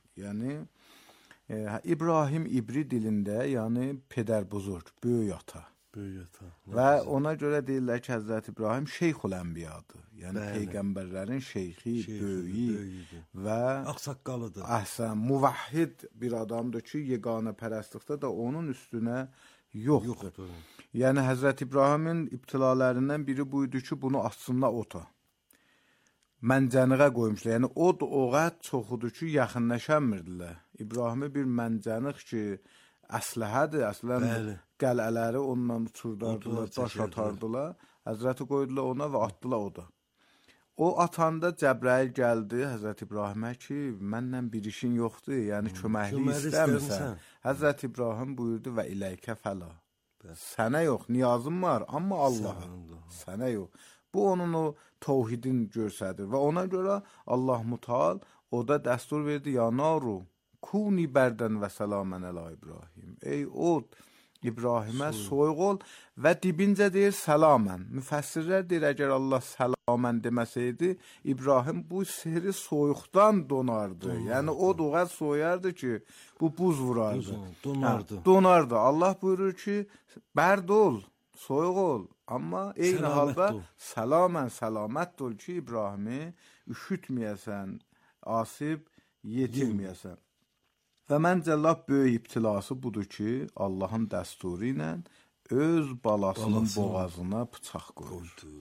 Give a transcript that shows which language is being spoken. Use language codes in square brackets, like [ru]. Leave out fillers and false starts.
[az] Yəni, İbrahim İbri dilində, yəni [fa] pedər buzurd, [az] böyük ata. Böyük ata. Və bizim ona görə deyirlər ki, Hazreti İbrahim Şeyxul Ənbiyadır. Yəni, peyqəmbərlərin şeyxi, böyüyü və aqsaqqalıdır. Əhsən, müvahhid bir adamdır ki, yeganə pərəstlikdə də onun üstünə yoxdur. Yoxdur. Yəni, Hazreti İbrahimin ibtilalarından biri buydu ki, bunu aslında ota. Məncəniğə qoymuşlar. Yəni, od oğad çoxudur ki, yaxınlaşamırdılar. İbrahimi bir məncəniğ ki, əsləhədir, əslən qələləri onunla uçurdardılar, daş atardılar. Həzrəti qoydular ona və atdılar oda. O atanda Cəbrəil gəldi Həzrəti İbrahimə ki, mənlə bir işin yoxdur, yəni köməkli istəmirsən. Həzrəti İbrahim buyurdu [ar] və iləykə fəla. [az] Sənə yox, niyazım var, amma Allah'a. Sənə yox. Bu, onun o tohidin görsədir. Və ona görə Allah mutal o da dəstur verdi, [ar] ya naru, kuni bərdən və səlamən əla İbrahim. [az] Ey od, İbrahimə soyuq ol və dibincə deyir səlamən. Müfəssirlər deyir, əgər Allah səlamən deməsəydi, İbrahim bu sehri soyuqdan donardı. Yəni, o doğa soyardı ki, bu buz vurardı. Donardı. Donardı. Allah buyurur ki, bərd ol, soyuq ol. Amma eyni halda səlamən, səlamət ol ki, İbrahimi üşütməyəsən, asib yetirməyəsən. Və məncə Allah böyük ibtilası budur ki, Allahın dəsturu ilə öz balasının boğazına bıçaq qoydu.